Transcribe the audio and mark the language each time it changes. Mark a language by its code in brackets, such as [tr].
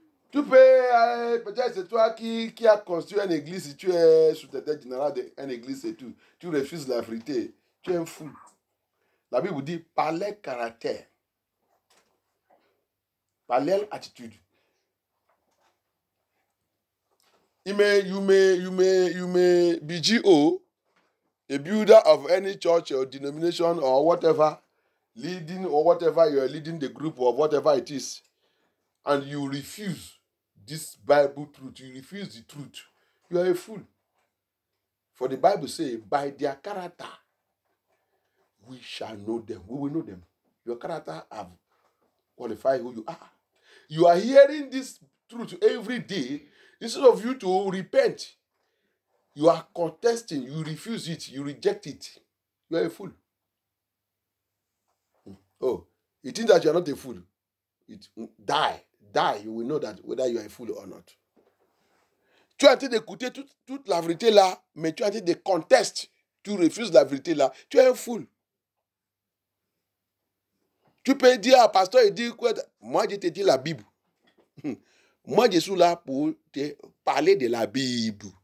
[fr] Tu peux, peut-être c'est toi qui as construit une église, tu es sous tête générale d'une église et tout. Tu refuses la vérité, tu es un fou. La Bible dit, par leur caractère, par leur attitude. [en] You may be G.O., a builder of any church or denomination or whatever, leading or whatever you are leading the group or whatever it is, and you refuse this Bible truth, you refuse the truth, you are a fool. For the Bible says, by their character, we shall know them. We will know them. Your character have qualified who you are. You are hearing this truth every day. Instead of you to repent, you are contesting, you refuse it, you reject it. You are a fool. Oh, you think that you are not a fool. Die. You will know that whether you are a fool or not. [fr] Tu es en train d'écouter toute la vérité là, mais tu es en train de contester, tu refuses la vérité là. Tu es un fool. Tu peux dire à un pasteur, il dit quoi? Moi, je te dis la Bible. Moi, je suis là pour te parler de la Bible.